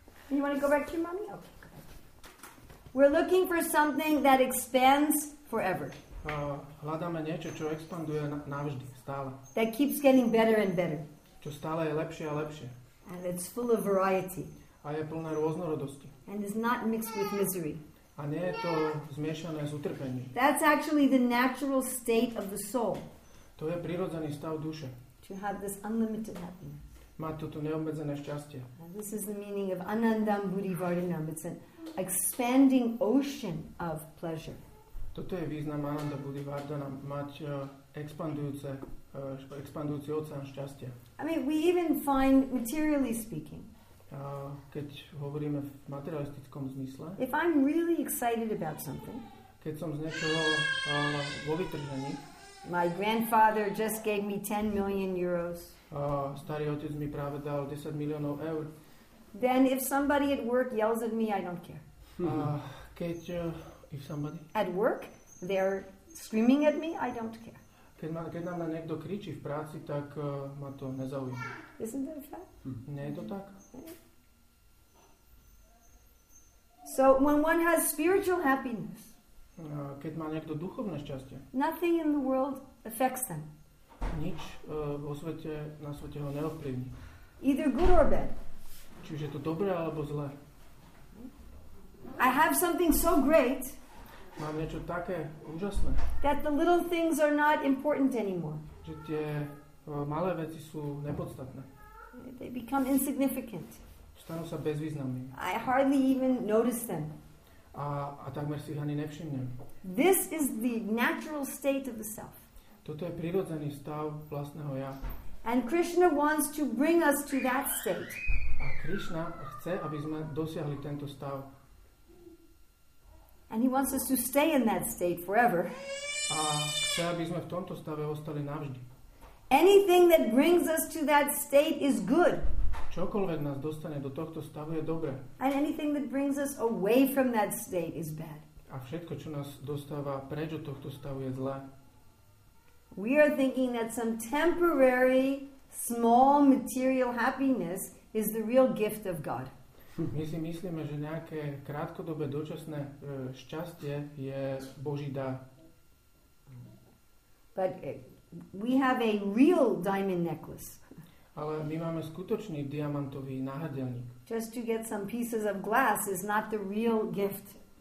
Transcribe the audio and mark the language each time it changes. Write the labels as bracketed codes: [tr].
[en] You want to go back to your mommy? Okay, go back. We're looking for something that expands forever. [sk] Hľadáme niečo, čo expanduje navždy, stále. [en] That keeps getting better and better. [sk] Čo stále je lepšie a lepšie. [en] And it's full of variety. [sk] A je plné rôznorodosti. [en] And is not mixed with misery. [sk] A nie je to zmiešané s utrpením. [en] That's actually the natural state of the soul. [sk] To je prirodzený stav duše. [en] To have this unlimited happiness. [sk] Má toto neobmedzené šťastie. [en] And this is the meaning of anandam buddhivardhanam. It's an expanding ocean of pleasure. [sk] Toto je význam ananda buddhivardhanam. Mať expandujúci oceán šťastia. [en] I mean, we even find, materially speaking, [sk] keď hovoríme v materialistickom zmysle, [en] if I'm really excited about something, [sk] keď som z niečoho vo vytržení, [en] my grandfather just gave me 10 million euros. [sk] Starý otec mi práve dal 10 miliónov eur. [en] Then if somebody at work yells at me, I don't care. If somebody at work, they're screaming at me, I don't care. [sk] Keď na mňa niekto kričí v práci, tak ma to nezaujíma. [en] Isn't that fact? [sk] Nie je to tak? [en] So when one has spiritual happiness, [sk] keď má niekto duchovné šťastie, [en] nothing in the world affects them. [sk] Nič vo svete, na svete ho neovplyvní. [en] Either good or bad. [sk] Čiže to dobré alebo zlé. [en] I have something so great. [sk] Mám niečo také úžasné. [en] That the little things are not important anymore. [sk] Že tie malé veci sú nepodstatné. [en] They become insignificant. [sk] Stanú sa bezvýznamné. [en] I hardly even notice them. [sk] A takmer si ich ani nevšimnem. [en] This is the natural state of the self. [sk] Toto je prirodzený stav vlastného ja. [en] And Krishna wants to bring us to that state. [sk] A Krishna chce, aby sme dosiahli tento stav. [en] And he wants us to stay in that state forever. [sk] A chce, aby sme v tomto stave ostali navždy. [en] Anything that brings us to that state is good. [sk] Čokoľvek nás dostane do tohto stavu, je dobré. [en] And anything that brings us away from that state is bad. [sk] A všetko, čo nás dostáva preč od tohto stavu, je zlé. [en] We are thinking that some temporary, small material happiness is the real gift of God. [sk] My si myslíme, že nejaké krátkodobé dočasné šťastie je Boží dar. [en] But we have a real diamond necklace. [sk] Ale my máme skutočný diamantový náhrdelník. [en] Just to get some pieces of glass is not the real gift.